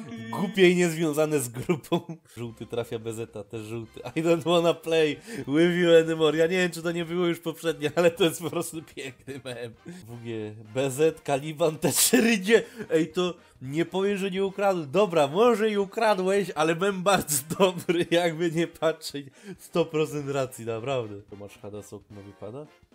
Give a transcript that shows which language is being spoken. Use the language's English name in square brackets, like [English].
[Polish] Głupie i niezwiązane z grupą. Żółty trafia bezeta, też żółty. [English] I don't wanna play with you anymore. [Polish] Ja nie wiem, czy to nie było już poprzednie, ale to jest po prostu piękny mem. WG, BZ, Kaliban, te trzy rydzie. Ej, to nie powiem, że nie ukradłem. Dobra, może i ukradłeś, ale mem bardzo dobry, jakby nie patrzeć. 100% racji, naprawdę. Tomasz Hadas okno wypada?